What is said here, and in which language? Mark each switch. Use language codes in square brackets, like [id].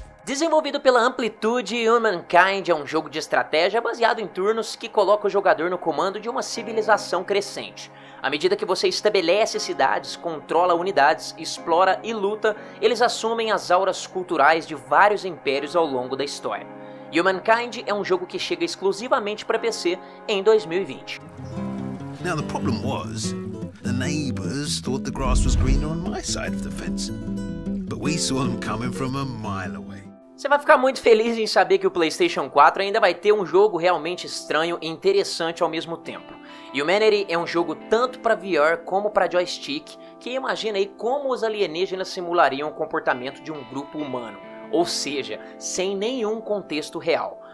[pt] Desenvolvido pela Amplitude, Humankind é um jogo de estratégia baseado em turnos que coloca o jogador no comando de uma civilização crescente. À medida que você estabelece cidades, controla unidades, explora e luta, eles assumem as auras culturais de vários impérios ao longo da história. Humankind é um jogo que chega exclusivamente para PC em 2020. [en] Now the problem was, the neighbors thought the grass was greener on my side of the fence, but we saw them coming from a mile away. [pt] Você vai ficar muito feliz em saber que o PlayStation 4 ainda vai ter um jogo realmente estranho e interessante ao mesmo tempo. Humanity é um jogo tanto para VR como para joystick, que imagina aí como os alienígenas simulariam o comportamento de um grupo humano, ou seja, sem nenhum contexto real.